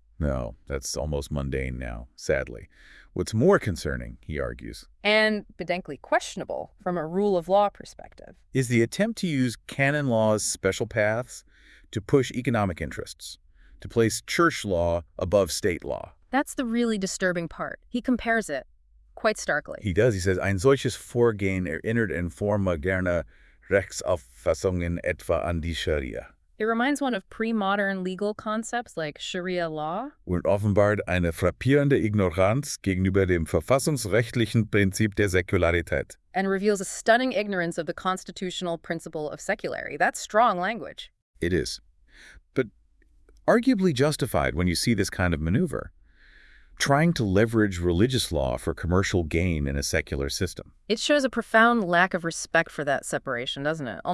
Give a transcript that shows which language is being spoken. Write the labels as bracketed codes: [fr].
[en] No, that's almost mundane now, sadly. What's more concerning, he argues, and bedenkly questionable from a rule of law perspective, is the attempt to use canon law's special paths to push economic interests, to place church law above state law. That's the really disturbing part. He compares it quite starkly. He does. He says, [de] ein solches Vorgehen erinnert in forma gerne Rechtsauffassungen etwa an die Scharia. [en] It reminds one of pre-modern legal concepts like Sharia law. [de] Und offenbart eine frappierende Ignoranz gegenüber dem verfassungsrechtlichen Prinzip der Säkularität. [en] And reveals a stunning ignorance of the constitutional principle of secularity. That's strong language. It is. But arguably justified when you see this kind of maneuver. Trying to leverage religious law for commercial gain in a secular system. It shows a profound lack of respect for that separation, doesn't it?